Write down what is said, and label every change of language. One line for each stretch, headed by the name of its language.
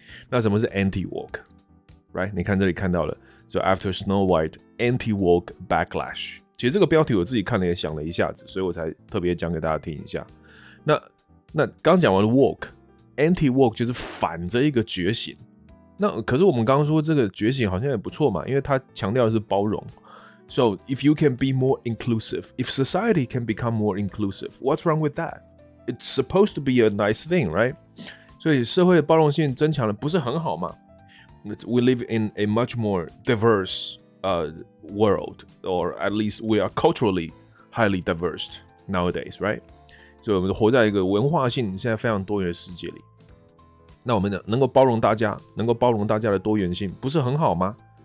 Chinese: 那什么是 anti-woke？
English: Right？
Chinese: 你看这里看到了，就
English: after Snow White anti-woke backlash。
Chinese: 其实这个标题我自己看了也想了一下子，所以我才特别讲给大家听一下。那刚讲完 woke， anti-woke 就是反着一个觉醒。那可是我们刚刚说这个觉醒好像也不错嘛，因为它强调的是包容。
English: So if you can be more inclusive, if society can become more inclusive, what's wrong with that? It's supposed to be a nice thing, right?
Chinese: 所以社会包容性增强了，不是很好吗？
English: We live in a much more diverse world, or at least we are culturally highly diverse nowadays, right?
Chinese: 所以我们活在一个文化性现在非常多元的世界里。那我们能够包容大家，能够包容大家的多元性，不是很好吗？